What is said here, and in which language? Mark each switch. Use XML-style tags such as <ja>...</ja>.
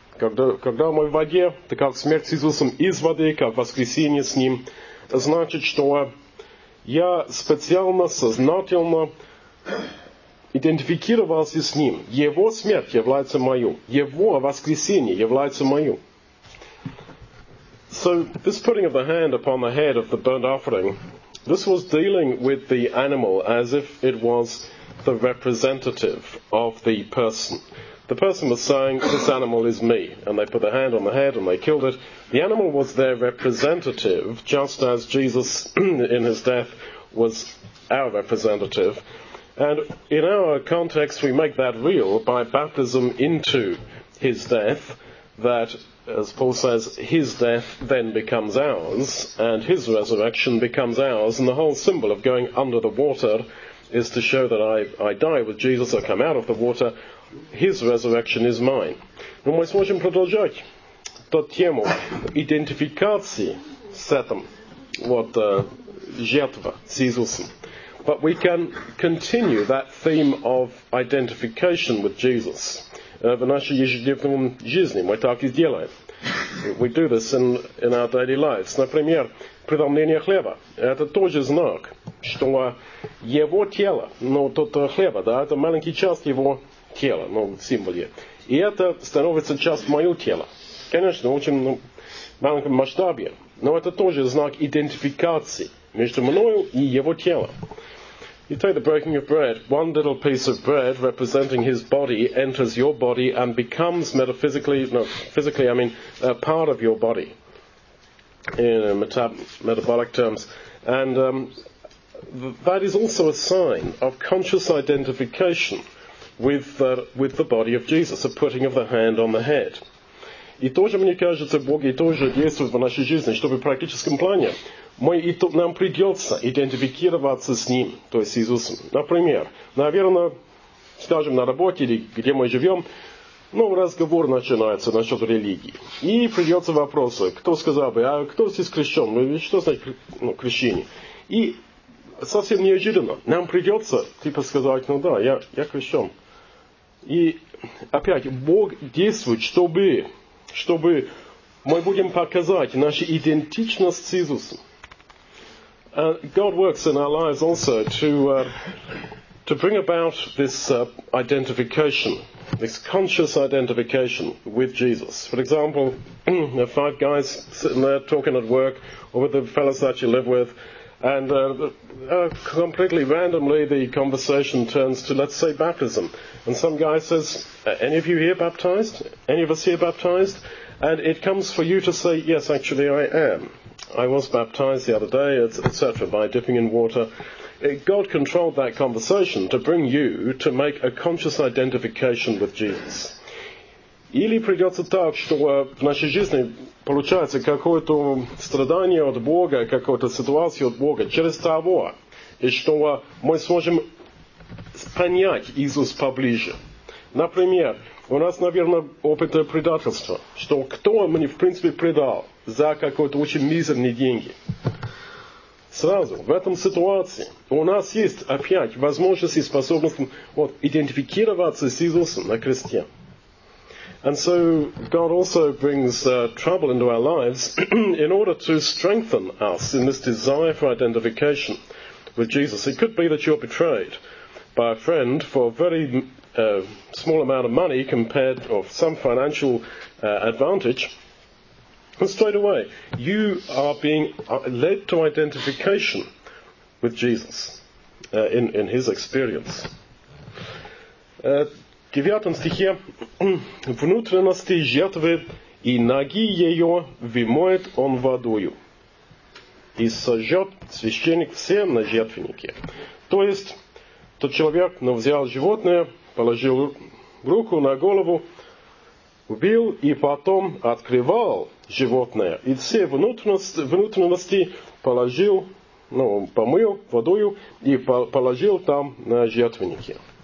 <ru>Когда мы в воде, так как смерть с Иисусом из воды, как воскресение с Ним, значит, что я специально, сознательно идентифицировался с Ним. Его смерть является мою. Его воскресение является мою.</ru> <en>So, this putting of the hand upon the head of the burnt offering, this was dealing with the animal as if it was the representative of the person. The person was saying, this animal is me. And they put the hand on the head and they killed it. The animal was their representative, just as Jesus in his death was our representative. And in our context, we make that real by baptism into his death, that, as Paul says, his death then becomes ours, and his resurrection becomes ours. And the whole symbol of going under the water is to show that I die with Jesus, I come out of the water. His resurrection is mine.</en> <ru>Но мы сможем продолжать ту тему идентификации с этим, вот, жертва с Иисусом.</ru> <en>But we can continue that theme of identification with Jesus</en> <ru>в нашей ежедневном жизни. Мы так и делаем.</ru> <en>We do this in our daily lives.</en> <ru>Например, преломление хлеба. Это тоже знак, что его тело, ну, тот хлеба, да, это маленький часть его тело, ну, в символе. И это становится частью моего тела. Конечно, в очень маленьком масштабе. Но это тоже знак идентификации между мною и его телом.</ru> <en>You take the breaking of bread. One little piece of bread representing his body enters your body and becomes physically, a part of your body in metabolic terms. And that is also a sign of conscious identification with the body of Jesus, a putting of the hand on the head.</en> <ru>И тоже, мне кажется, Бог и тоже действует в нашей жизни, чтобы в практическом плане нам придется идентифицироваться с Ним, то есть с Иисусом. Например, наверное, скажем, на работе или где мы живем, разговор начинается насчет религии. И придется вопрос, кто сказал бы, а кто здесь крещен? Что значит крещение? И совсем неожиданно нам придется сказать, я крещен. И опять, Бог действует, чтобы мы будем показать нашу идентичность с Иисусом.</ru> <en>God works in our lives also to bring about this identification, this conscious identification with Jesus. For example, the five guys sitting there talking at work, or with the fellows that you live with, and completely randomly the conversation turns to, let's say, baptism. And some guy says, any of you here baptized? Any of us here baptized? And it comes for you to say, yes, actually I am. I was baptized the other day, etc., by dipping in water. God controlled that conversation to bring you to make a conscious identification with Jesus.</en> <ru>Или придется так, что в нашей жизни получается какое-то страдание от Бога, какая-то ситуация от Бога через того, и что мы сможем понять Иисус поближе. Например, у нас, наверное, опыт предательства, что кто мне, в принципе, предал за какие-то очень мизерные деньги. Сразу, в этом ситуации, у нас есть опять возможность и способность идентифицироваться с Иисусом на кресте.</ru> <en>And so God also brings trouble into our lives in order to strengthen us in this desire for identification with Jesus. It could be that you're betrayed by a friend for a very small amount of money compared to some financial advantage. And straight away, you are being led to identification with Jesus in his experience.</en> <ru>В 9 стихе «Внутренности жертвы и ноги ее вымоет он водою, и сожжет священник все на жертвеннике». То есть, тот человек взял животное, положил руку на голову, убил и потом открывал животное, и все внутренности положил, помыл водою и положил там на жертвеннике.</ru>